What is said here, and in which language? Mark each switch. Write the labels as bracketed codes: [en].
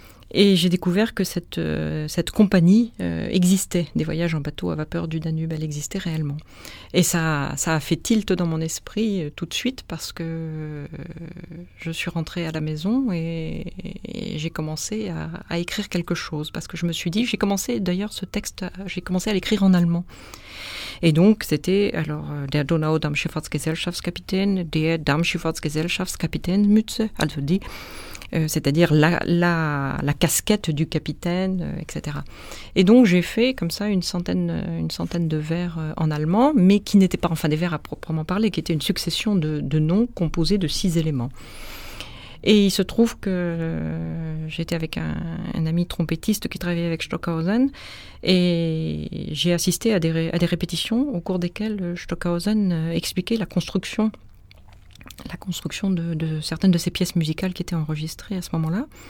[fr] Et j'ai découvert que cette compagnie existait, des voyages en bateau à vapeur du Danube, elle existait réellement. Et ça a fait tilt dans mon esprit tout de suite parce que je suis rentrée à la maison et j'ai commencé à écrire quelque chose. Parce que je me suis dit, j'ai commencé d'ailleurs ce texte, j'ai commencé à l'écrire en allemand. Et donc c'était alors [de] « Der Donaudampfschifffahrtsgesellschaftskapitän, der Dampfschifffahrtsgesellschaftskapitän Mütze », also die. [fr] C'est-à-dire la casquette du capitaine, etc. Et donc j'ai fait comme ça une centaine de vers en allemand, mais qui n'étaient pas enfin des vers à proprement parler, qui étaient une succession de noms composés de 6 éléments. Et il se trouve que j'étais avec un ami trompettiste qui travaillait avec Stockhausen et j'ai assisté à des répétitions au cours desquelles Stockhausen expliquait la construction de certaines de ces pièces musicales qui étaient enregistrées à ce moment-là.